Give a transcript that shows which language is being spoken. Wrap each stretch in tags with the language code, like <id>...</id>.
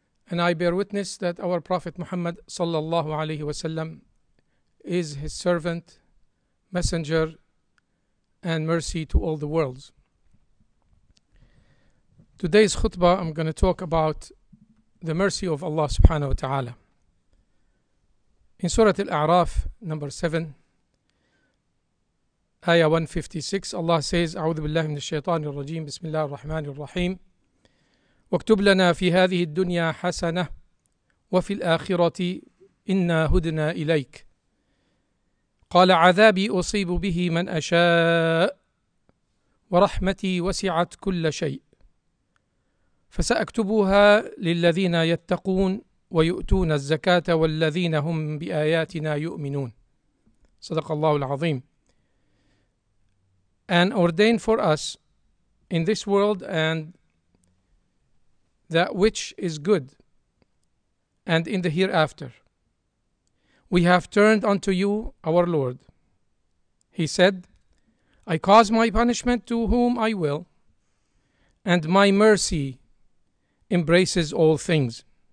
<en>And I bear witness that our Prophet Muhammad sallallahu alayhi wa sallam is his servant, messenger, and mercy to all the worlds. Today's khutbah, I'm going to talk about the mercy of Allah subhanahu wa ta'ala. In Surah Al-A'raf, number 7, Ayah 156, Allah says,</en> <ar>أعوذ بالله من الشيطان الرجيم بسم الله الرحمن الرحيم واكتب لنا في هذه الدنيا حسنة وفي الآخرة إنا هدنا إليك قال عذابي أصيب به من أشاء ورحمتي وسعت كل شيء فسأكتبها للذين يتقون ويؤتون الزكاة والذين هم بآياتنا يؤمنون صدق الله العظيم.</ar> <en>And ordained for us in this world and that which is good and in the hereafter. We have turned unto you, our Lord. He said, I cause my punishment to whom I will, and my mercy embraces all things.</en>